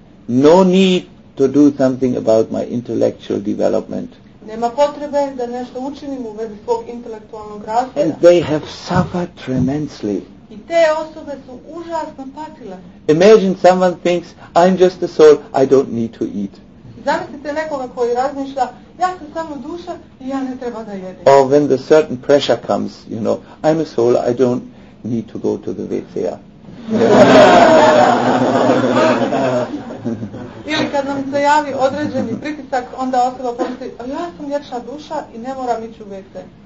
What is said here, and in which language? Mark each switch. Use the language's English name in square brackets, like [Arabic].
[English] No need to do something about my intellectual development. [Croatian] Nema potrebe da nešto učinim u vezi svog intelektualnog razvoja. [English] And they have suffered tremendously. [Croatian] I te osobe su užasno patile. [English] Imagine someone thinks, I'm just a soul, I don't need to eat. [Croatian] Zamislite nekoga koji razmišlja, ja sam samo duša i ja ne treba da jedem. [English] Or when the certain pressure comes, you know, I'm a soul, I don't need to go to the vecea. [Croatian] Ili kad nam se javi određeni pritisak, onda osoba pomisli, ja sam vječna duša i ne moram ići u vece.